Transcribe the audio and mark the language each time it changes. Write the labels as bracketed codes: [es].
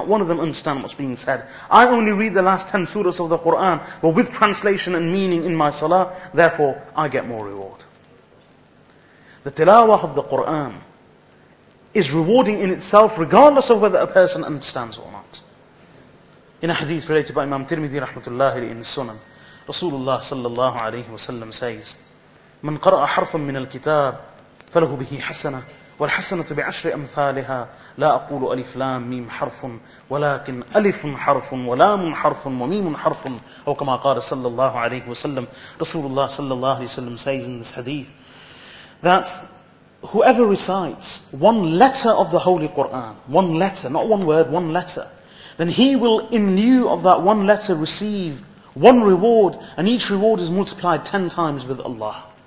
[en] Not one of them understand what's being said. I only read the last 10 surahs of the Qur'an, but with translation and meaning in my salah, therefore I get more reward. The tilawah of the Qur'an is rewarding in itself regardless of whether a person understands or not. In a hadith related by Imam Tirmidhi rahmatullahi in Sunan, Rasulullah sallallahu alayhi wa sallam says, [ar] من قرأ حرفا من الكتاب فله به حسنة والحسنة بعشر أمثالها لا أقول ألف لام ميم حرف ولكن ألف حرف ولام حرف وميم حرف أو كما قال صلى الله عليه وسلم. [en] Rasulullah sallallahu alayhi wa sallam says in this hadith that whoever recites one letter of the Holy Quran, one letter, not one word, one letter, then he will, in lieu of that one letter, receive one reward, and each reward is multiplied 10 times with Allah.